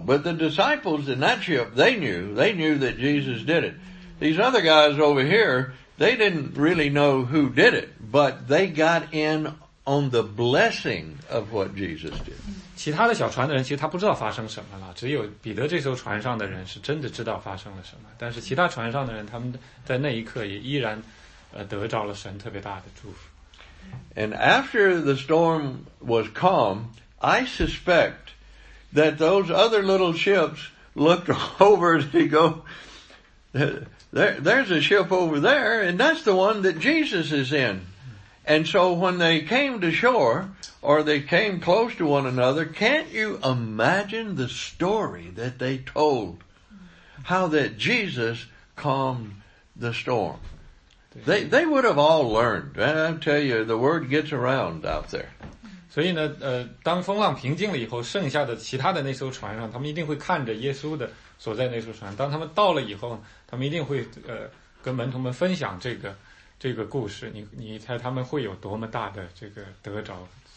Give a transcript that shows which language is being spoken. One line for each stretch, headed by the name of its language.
English: But the disciples in that ship, they knew. They knew that Jesus did it. These other guys over here, they didn't really know who did it, but they got in on the blessing of what Jesus did.
Chinese: 其他的小船的人其实他不知道发生什么了，只有彼得这艘船上的人是真的知道发生了什么，但是其他船上的人他们在那一刻也依然得着了神特别大的祝福。
English: And after the storm was calm, I suspect that those other little ships looked over and they go, there's a ship over there, and that's the one that Jesus is in. And so when they came to shore,Or they came close to one another. Can't you imagine the story that they told? How that Jesus calmed the storm. They would have all learned. I tell you, the word gets around out there.
Chinese: 所以呢，当风浪平静了以后，剩下的其他的那艘船上，他们一定会看着耶稣的所在那艘船。当他们到了以后，他们一定会跟门徒们分享这个故事。你猜他们会有多么大的这个得着？